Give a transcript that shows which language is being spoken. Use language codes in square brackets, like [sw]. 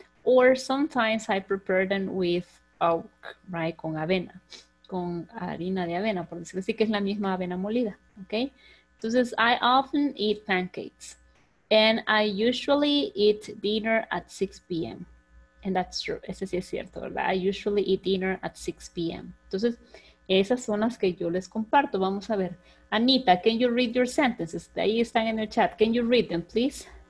[en] Or sometimes I prepare them with oak, right? [es] Con avena, con harina de avena, por decirlo así, que es la misma avena molida, ¿ok? [en] Entonces, I often eat pancakes. And I usually eat dinner at 6 p.m. And that's true. [es] Ese sí es cierto, ¿verdad? [en] I usually eat dinner at 6 p.m. [es] Entonces, esas son las que yo les comparto. Vamos a ver. [en] Anita, can you read your sentences? [es] De ahí están en el chat. [en] Can you read them, please?